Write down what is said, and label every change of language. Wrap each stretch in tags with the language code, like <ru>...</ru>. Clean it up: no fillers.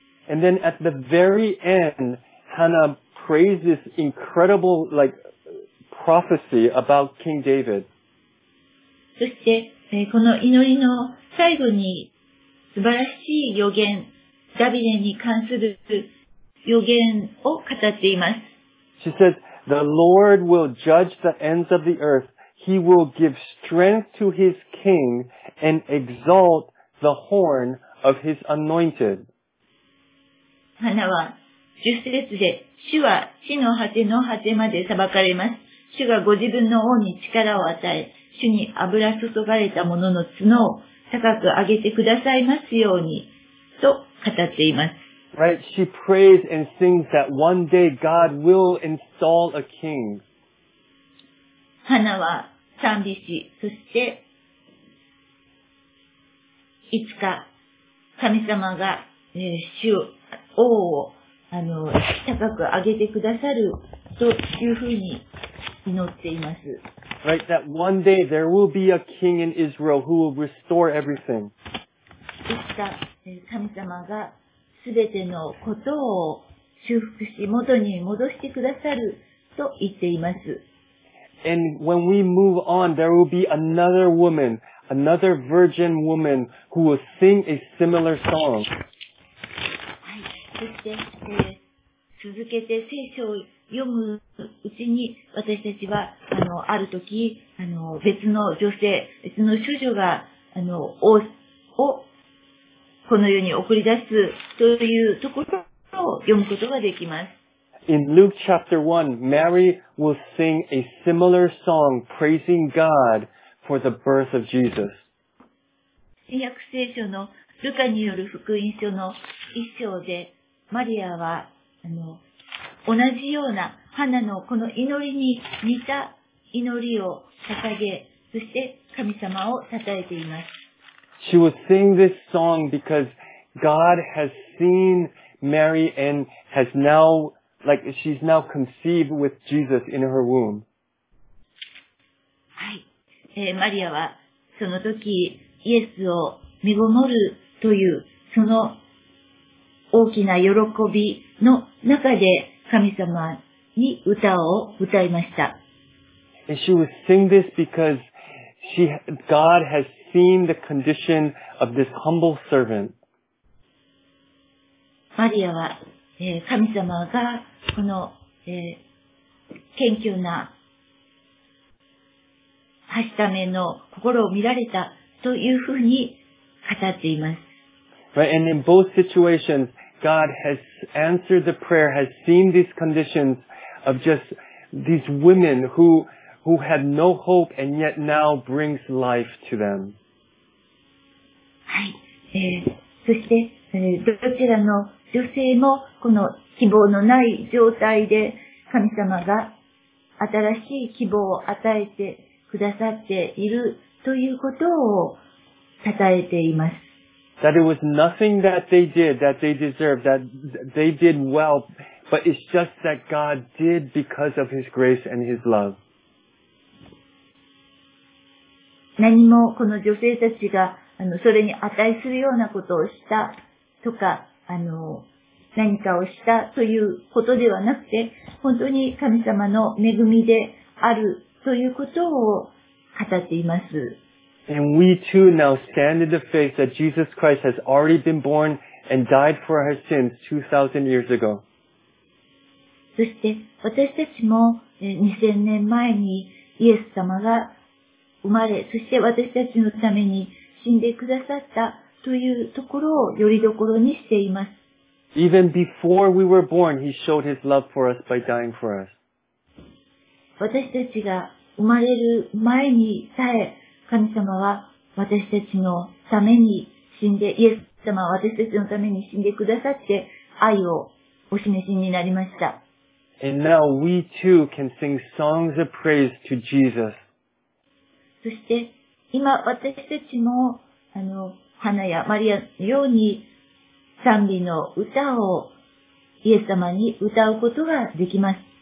<en>And then at the very end, Hannah prays this incredible, like,prophecy about King David.</en> <ja>そして、この祈りの最後に素晴らしい予言、ダビデに関する予言を語っています。</ja> <en>She says, The Lord will judge the ends of the earth. He will give strength to his king and exalt the horn of his anointed.</en> <ja>花は十節で、主は地の果ての果てまで裁かれます。主がご自分の王に力を与え、主に油注がれた者の角を高く上げてくださいますようにと語っています。</ja> <en>Right, she prays and sings that one day God will install a king.</en> <ja>花は賛美し、そしていつか神様が、主を王を高く上げてくださるというふうに祈っています。</ja> <en>Right, that one day there will be a king in Israel who will restore everything.</en> <ja>いつか神様がすべてのことを修復し元に戻してくださると言っています。</ja> <en>And when we move on, there will be another woman, another virgin woman who will sing a similar song.</en> <ja>そして、続けて聖書を読むうちに私たちはある時別の女性別の処女が王をこの世に送り出すというところを読むことができます。</ja> <en>In Luke chapter 1, Mary will sing a similar song praising God for the birth of Jesus.</en> <ja>新約聖書のルカによる福音書の一章でマリアは同じような花のこの祈りに似た祈りを捧げ、そして神様を称えています。</ja> <en>She was singing this song because God has seen Mary and has now, like she's now conceived with Jesus in her womb.</en> <ja>はい、マリアはその時イエスを身ごもるというその大きな喜びの中で神様に歌を歌いました。</ja> <en>And she would sing this because God has seen the condition of this humble servant.</en> <ja>マリアは、神様がこの、謙虚な、はしための心を見られたというふうに語っています。</ja> <en>Right, and in both situations,God has answered the prayer, has seen these conditions of just these women who had no hope and yet now brings life to them.</en> <ja>はい。そして、どちらの女性もこの希望のない状態で神様が新しい希望を与えてくださっているということを称えています。</ja> <en>That it was nothing that they did, that they deserved, that they did well, but it's just that God did because of His grace and His love.</en> <ja>何もこの女性たちがそれに値するようなことをしたとか何かをしたということではなくて、本当に神様の恵みであるということを語っています。</ja> <en>And we too now stand in the faith that Jesus Christ has already been born and died for our sins 2,000 years ago.</en> <ja>そして私たちも2000年前にイエス様が生まれ、そして私たちのために死んでくださったというところをよりどころにしています。</ja> <en>Even before we were born, He showed His love for us by dying for us.</en> <ja>私たちが生まれる前にさえ神様は私たちのために死んで、イエス様は私たちのために死んでくださって愛をお示しになりました。</ja> <en>And now we too can sing songs of praise to Jesus.</en> <ja>そして今私たちも花やマリアのように賛美の歌をイエス様に歌うことができます。</ja>